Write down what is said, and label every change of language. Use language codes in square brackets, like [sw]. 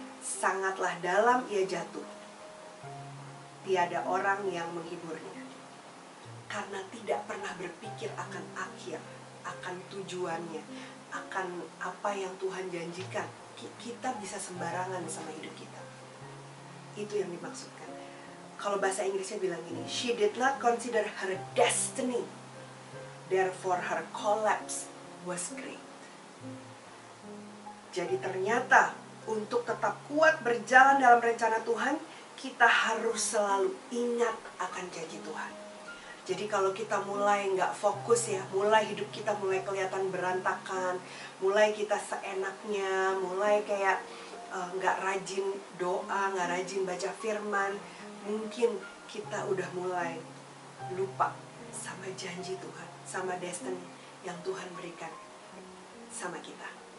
[id] Sangatlah dalam ia jatuh. Tiada orang yang menghiburnya. Karena tidak pernah berpikir akan akhir, akan tujuannya, akan apa yang Tuhan janjikan, kita bisa sembarangan sama hidup kita. Itu yang dimaksudkan. Kalau bahasa Inggrisnya bilang gini, [en] she did not consider her destiny, therefore her collapse was great. [id] Jadi ternyata untuk tetap kuat berjalan dalam rencana Tuhan, kita harus selalu ingat akan janji Tuhan. Jadi kalau kita mulai gak fokus ya, mulai hidup kita mulai kelihatan berantakan, mulai kita seenaknya, mulai kayak gak rajin doa, gak rajin baca firman, mungkin kita udah mulai lupa sama janji Tuhan, sama destiny yang Tuhan berikan sama kita.